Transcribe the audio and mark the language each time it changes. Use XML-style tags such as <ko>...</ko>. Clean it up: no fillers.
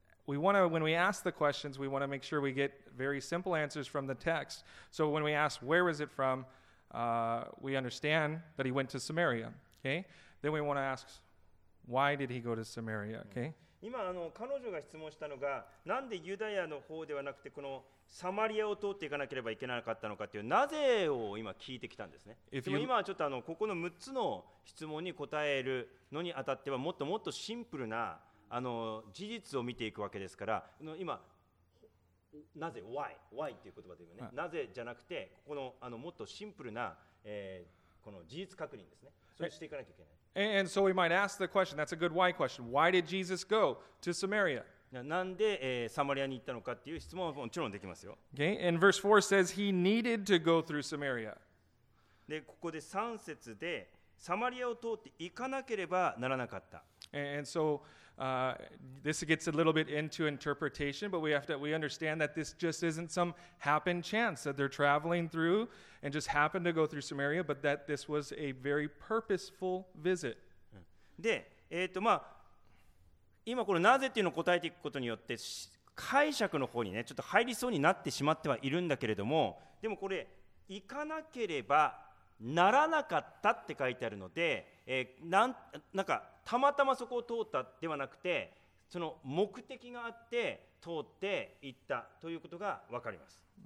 <en>We want to, when we ask the questions, we want to make sure we get very simple answers from the text. So when we ask, where was it from, we understand that he went to Samaria, okay? Then we want to ask, why did he go to Samaria, okay?</en> <ja>今あの彼女が質問したのが、なんでユダヤの方ではなくてこのサマリアを通っていかなければいけなかったのかというなぜを今聞いてきたんですね。でも今はちょっとあのここの6つの質問に答えるのにあたってはもっともっとシンプルなあの事実を見ていくわけですから、今なぜ why という言葉で言うね、なぜじゃなくてここのあのもっとシンプルな、この事実確認ですね、それをしていかなきゃいけない。</ja> <en>And so we might ask the question, that's a good why question. Why did Jesus go to Samaria?</en> <ja>なんで、サマリアに行ったのかっていう質問はもちろんできますよ。</ja> <en>Okay? And verse 4 says he needed to go through Samaria.</en> <ja>で、ここで3節でサマリアを通って行かなければならなかった。</ja> <en>And so this gets a little bit into interpretation, but we understand that this just isn't some happen chance that they're traveling through and just happened to go through Samaria, but that this was a very purposeful visit.</en> <ja>で、まあ、今このなぜっていうのを答えていくことによって解釈の方にねちょっと入りそうになってしまってはいるんだけれども、でもこれ行かなければならなかったって書いてあるので、なんかたまたまそこを通ったではなくて、その目的があって通って行ったということがわかります。</ja>